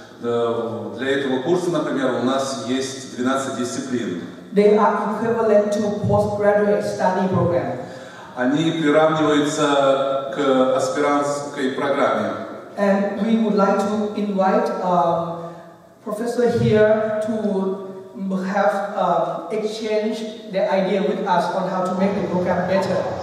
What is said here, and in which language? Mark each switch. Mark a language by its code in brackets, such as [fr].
[ru] Для этого курса, например, у нас есть 12 дисциплин. [en] They are equivalent to postgraduate study program. [ru] Они приравниваются к аспирантской программе. [en] And we would like to invite professor here to have exchange the idea with us on how to make the program better.